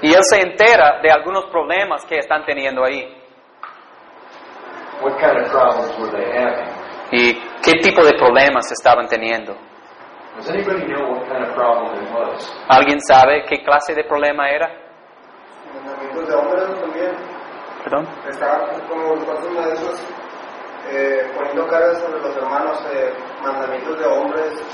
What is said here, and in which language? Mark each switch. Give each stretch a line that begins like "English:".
Spanish: Y él se entera de algunos problemas que están teniendo ahí.
English: What kind of problems were they having?
Spanish: ¿Y qué tipo de problemas estaban teniendo?
English: Does anybody know what kind of problem it was?
Spanish: ¿Alguien sabe qué clase de problema era? Mandamientos de hombres también. ¿Perdón? Estaba como una de esas poniendo cargas sobre los hermanos de mandamientos de hombres.